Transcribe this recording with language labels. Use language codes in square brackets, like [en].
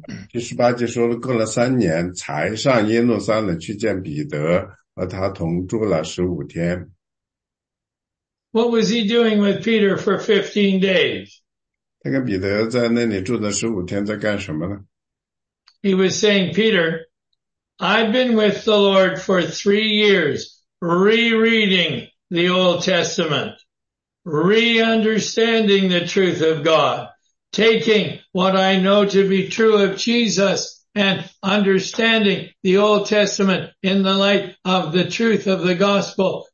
[zh] 第十八节说了，过了三年才上耶路撒冷去见彼得，和他同住了十五天。 [en] What was he doing with Peter for 15 days? [zh] 他跟彼得在那里住的十五天在干什么呢？ [en] He was saying, Peter, I've been with the Lord for 3 years, rereading the Old Testament, re-understanding the truth of God. Taking what I know to be true of Jesus and understanding the Old Testament in the light of the truth of the gospel.